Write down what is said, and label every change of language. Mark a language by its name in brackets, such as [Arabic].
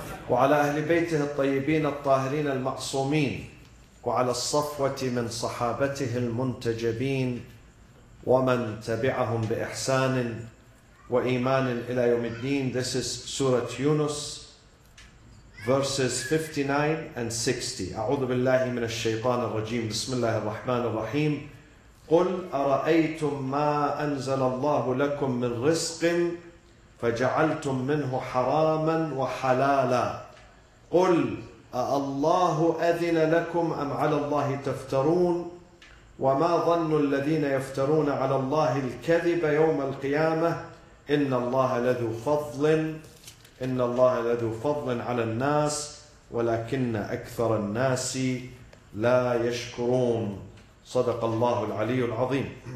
[Arabic] وعلى أهل بيته الطيبين الطاهرين المعصومين وعلى الصفوة من صحابته المنتجبين ومن تبعهم بإحسان وإيمان إلى يوم الدين. [English] This is Surah Yunus, verses 59 and 60. [Arabic] أعوذ بالله من الشيطان الرجيم. بسم الله الرحمن الرحيم. قل أرأيتم ما أنزل الله لكم من رزق فجعلتم منه حراما وحلالا قل أالله أذن لكم أم على الله تفترون وما ظن الذين يفترون على الله الكذب يوم القيامة إن الله لذو فضل إن الله لذو فضل على الناس ولكن أكثر الناس لا يشكرون صدق الله العلي العظيم.